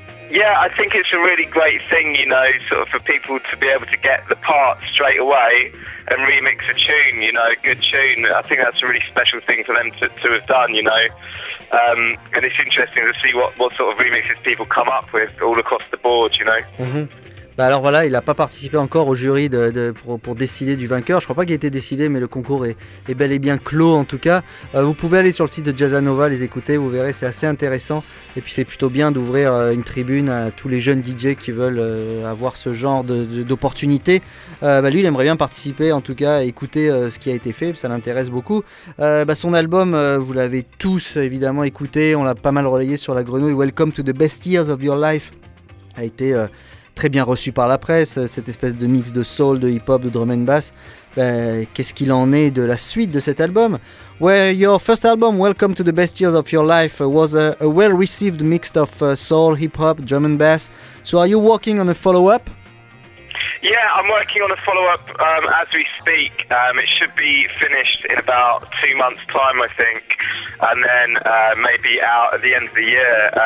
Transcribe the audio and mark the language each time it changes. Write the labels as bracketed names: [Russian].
[English] Yeah, I think it's a really great thing, you know, sort of for people to be able to get the part straight away and remix a tune, you know, a good tune. I think that's a really special thing for them to have done, you know. And it's interesting to see what sort of remixes people come up with all across the board, you know. Mm-hmm. [French] Bah alors voilà, il n'a pas participé encore au jury pour décider du vainqueur. Je crois pas qu'il ait été décidé, mais le concours est bel et bien clos en tout cas. Vous pouvez aller sur le site de Jazzanova, les écouter, vous verrez, c'est assez intéressant. Et puis c'est plutôt bien d'ouvrir une tribune à tous les jeunes DJ qui veulent avoir ce genre d'opportunité. Bah lui, il aimerait bien participer en tout cas, écouter ce qui a été fait, ça l'intéresse beaucoup. Bah son album, vous l'avez tous évidemment écouté, on l'a pas mal relayé sur la grenouille. Welcome to the best years of your life a été... très bien reçu par la presse, cette espèce de mix de soul, de hip-hop, de drum and bass. Qu'est-ce qu'il en est de la suite de cet album? [English] Where your first album, Welcome to the Best Years of Your Life, was a well-received mix of soul, hip-hop, drum and bass. So are you working on a follow-up? Yeah, I'm working on a follow-up as we speak. It should be finished in about 2 months' time, I think, and then maybe out at the end of the year.